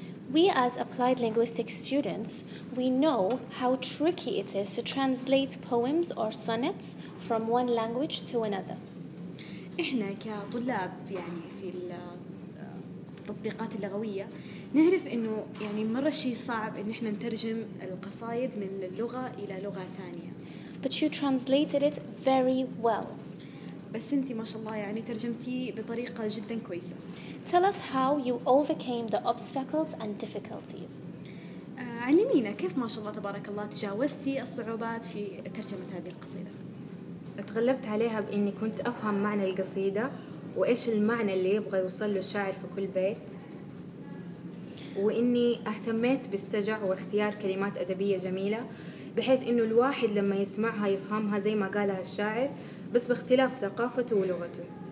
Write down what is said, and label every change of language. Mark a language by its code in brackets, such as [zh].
[en] We as applied linguistics students, we know how tricky it is to translate poems or sonnets from one language to another. [ar] إحنا كطلاب يعني في التطبيقات اللغوية نعرف إنه يعني مرة شيء صعب إن إحنا نترجم القصائد من اللغة إلى لغة ثانية. [en] But you translated it very well. [ar] بس أنتي ما شاء الله يعني ترجمتي بطريقة جدا كويسة. [en] Tell us how you overcame the obstacles and difficulties. [ar] علمينا كيف ما شاء الله تبارك الله تجاوزتي الصعوبات في ترجمة هذه القصيدة. اتغلبت عليها بإني كنت أفهم معنى القصيدة وإيش المعنى اللي يبغى يوصل له الشاعر في كل بيت وإني اهتميت بالسجع واختيار كلمات أدبية جميلة بحيث إنه الواحد لما يسمعها يفهمها زي ما قالها الشاعر بس باختلاف ثقافته ولغته.